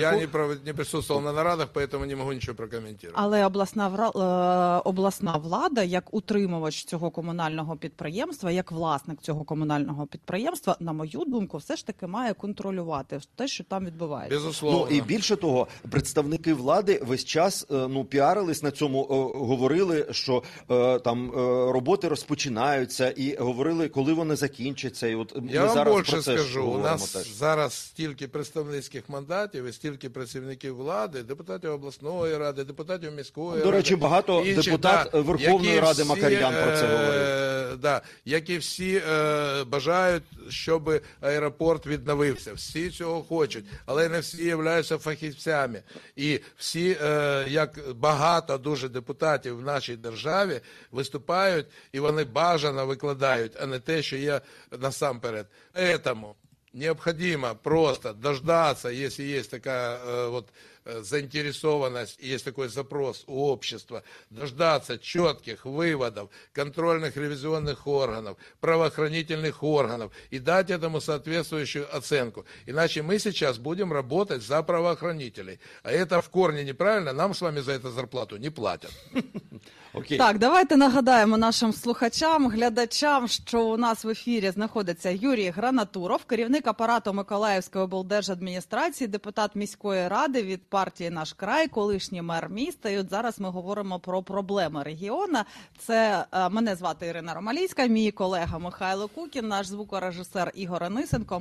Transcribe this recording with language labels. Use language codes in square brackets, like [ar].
[ru] Я не присутствовал на нарадах, поэтому не могу ничего прокомментировать. [uk] Але обласна влада, як утримувач цього комунального підприємства, як власник цього комунального підприємства, на мою думку, все ж таки має контролювати те, що там відбувається. [ru] Безусловно. [uk] Ну, і більше того, представники влади весь час піарились на цьому, говорили, що там роботи розпочинаються, і говорили, коли вони закінчаться. І от я ми зараз більше про це скажу, у нас зараз стільки представницьких мандатів і стільки працівників влади, депутатів обласної ради, депутатів міської ради. До речі, багато депутат Верховної ради Макар'ян про це говорить. Да, які всі бажають, щоб аеропорт відновився. Всі цього хочуть, але не всі являються фахівцями. І всі, як багато дуже депутатів в нашій державі, виступають і вони бажано викладають, а не те, що є насамперед. [ru] Поэтому необходимо просто дождаться, если есть такая заинтересованность, есть такой запрос у общества, дождаться четких выводов контрольных ревизионных органов, правоохранительных органов и дать этому соответствующую оценку. Иначе мы сейчас будем работать за правоохранителей. А это в корне неправильно, нам с вами за это зарплату не платят. Окей. [uk] Так, давайте нагадаємо нашим слухачам, глядачам, що у нас в ефірі знаходиться Юрій Гранатуров, керівник апарату Миколаївської облдержадміністрації, депутат міської ради від партії «Наш край», колишній мер міста. І от зараз ми говоримо про проблеми регіона. Це мене звати Ірина Ромалійська, мій колега Михайло Кукін, наш звукорежисер Ігор Анисенко.